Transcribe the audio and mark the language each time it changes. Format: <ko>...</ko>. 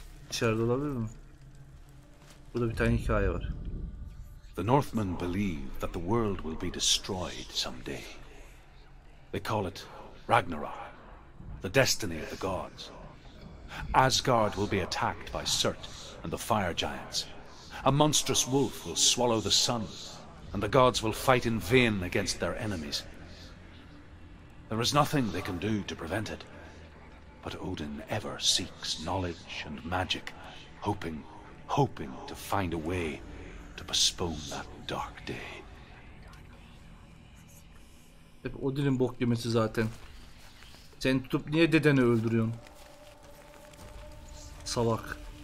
<tr>İçeride olabilir mi? Burada bir tane hikaye var.</tr> <en>The Northmen believe that the world will be destroyed someday. They call it Ragnarok, the destiny of the gods. Asgard will be attacked by Surt and the fire giants, A monstrous wolf will swallow the sun, and the gods will fight in vain against their enemies. There is nothing they can do to prevent it. But Odin ever seeks knowledge and magic, hoping to find a way to postpone that dark day.</en> <tr>Hep Odin'in bok yemesi zaten. Sen tutup niye dedeni öldürüyorsun? Salak.</tr>